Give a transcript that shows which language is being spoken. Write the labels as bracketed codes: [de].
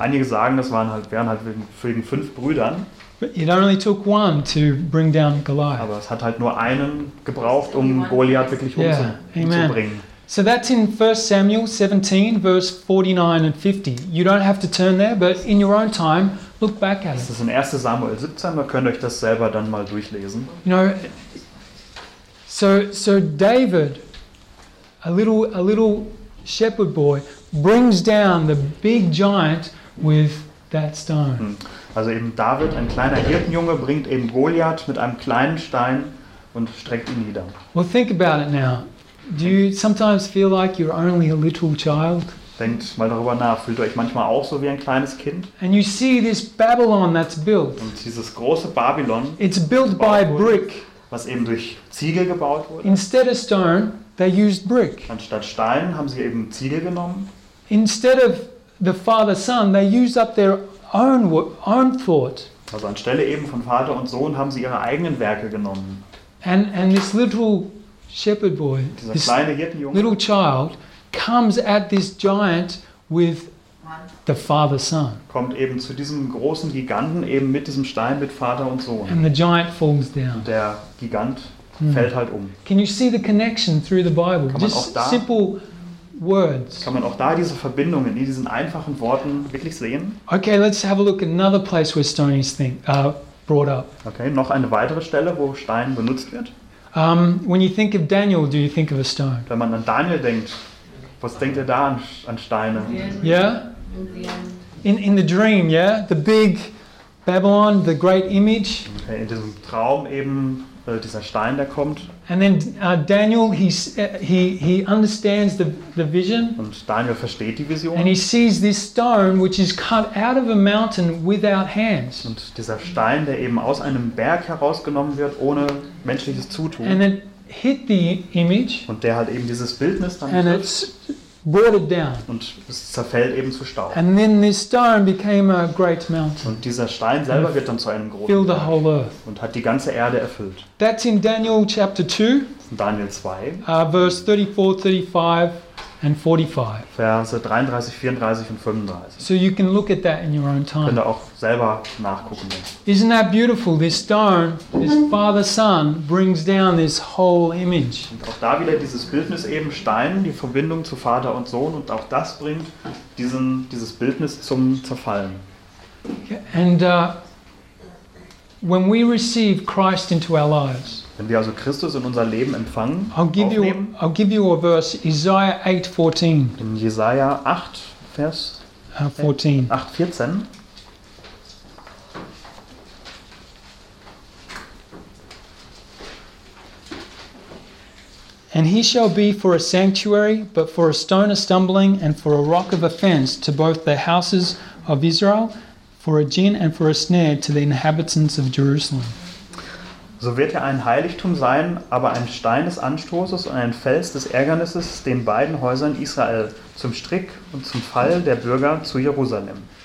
[de] Einige sagen, das waren halt, wegen fünf Brüdern. [en] It only took one to bring down Goliath. [de] Aber es hat halt nur einen gebraucht, um Goliath wirklich umzubringen. [en] So that's in 1 Samuel 17, verse 49 and 50. You don't have to turn there, but in your own time, look back at it. [de] Das ist in 1. Samuel 17, da könnt ihr euch das selber dann mal durchlesen. [en] You know, so David, a little shepherd boy, brings down the big giant with that stone. [de] Also eben David, ein kleiner Hirtenjunge, bringt eben Goliath mit einem kleinen Stein und streckt ihn nieder. [en] Well, think about it now. Do you sometimes feel like you're only a little child? [de] Denkt mal darüber nach. Fühlt ihr euch manchmal auch so wie ein kleines Kind? [en] And you see this Babylon that's built. [de] Und dieses große Babylon. [en] It's built by brick. [de] Was eben durch Ziegel gebaut wurde. [en] Instead of stone, they used brick. [de] Anstatt Stein haben sie eben Ziegel genommen. [en] Instead of the Father, Son, they used up their own thought. [de] Also anstelle eben von Vater und Sohn haben sie ihre eigenen Werke genommen. [en] And this little shepherd boy, [de] dieser kleine Hirtenjunge, [en] little child, comes at this giant with the Father, Son. [de] Kommt eben zu diesem großen Giganten eben mit diesem Stein mit Vater und Sohn. [en] And the giant falls down. [de] Der Gigant fällt halt um. [en] Can you see the connection through the Bible? Just simple words. [de] Kann man auch da diese Verbindung in diesen einfachen Worten wirklich sehen? [en] Okay, let's have a look at another place where stone is brought up. [de] Okay, noch eine weitere Stelle, wo Stein benutzt wird. [en] When you think of Daniel, do you think of a stone? [de] Wenn man an Daniel denkt, was denkt er da an Steine? [en] Yeah. In the dream, yeah, the big Babylon, the great image. [de] Okay, in diesem Traum eben dieser Stein, der kommt. [en] And then Daniel, he understands the vision. [de] Und Daniel versteht die Vision. [en] And he sees this stone, which is cut out of a mountain without hands. [de] Und dieser Stein, der eben aus einem Berg herausgenommen wird, ohne menschliches Zutun. [en] And then hit the image. [de] Und der halt eben dieses Bildnis dann. [en] And it's brought it down. [de] Und es zerfällt eben zu Staub. [en] And then this stone became a great mountain. [de] Und dieser Stein selber wird dann zu einem großen [en] Berg. Filled the whole earth. [de] Und hat die ganze Erde erfüllt. [en] That's in Daniel chapter 2. Daniel 2. Verse 34, 35 and 45. [de] Verse 33, 34 und 35. [en] So you can look at that in your own time. [de] Könnt ihr auch selber nachgucken. [en] Isn't that beautiful? This stone, this Father, Son, brings down this whole image. [de] Und auch da wieder dieses Bildnis eben Stein, die Verbindung zu Vater und Sohn, und auch das bringt dieses Bildnis zum Zerfallen. [en] And when we receive Christ into our lives. [de] Wenn wir also Christus in unser Leben empfangen, [en] I'll give you a verse, Isaiah 8, 14. [de] In Jesaja 8, Vers 14. 8, 14. [en] And he shall be for a sanctuary, but for a stone of stumbling and for a rock of offense to both the houses of Israel, for a gin and for a snare to the inhabitants of Jerusalem. [de] So wird er ein Heiligtum sein, aber ein Stein des Anstoßes und ein Fels des Ärgernisses den beiden Häusern Israel zum Strick und zum Fall der Bürger zu Jerusalem.